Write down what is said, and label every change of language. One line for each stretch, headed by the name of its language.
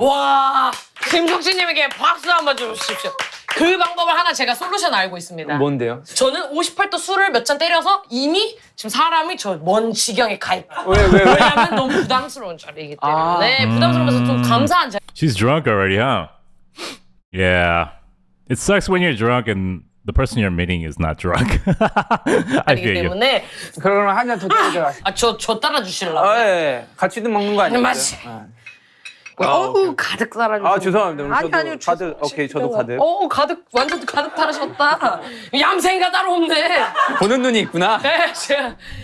Korean: 와, 김숙진님에게 박수 한번 주십시오. 그 방법을 하나 제가 솔루션 알고 있습니다. 뭔데요? 저는 58도 술을 몇 잔 때려서 이미 지금 사람이 저 먼 지경에 가 있다. 왜? 왜냐하면 너무 부담스러운 자리이기 때문에. 아, 네, 부담스러워서 좀 감사한 자리.
English: She's drunk already, huh? Yeah, it sucks when you're drunk and the person you're meeting is not drunk. I feel you.
Korean: 그러면 한 잔 더 따라줘. 아, 저 따라주실라고요? 예, 같이도 먹는 거 아니에요? 맞지. 어우 가득 살아주세요. 아 죄송합니다. 아니 저도 가득. 오케이 저도 가득. 어우 가득 완전 가득 타르셨다. 얌생이가 따로 없네. 보는 눈이 있구나. 네 제가.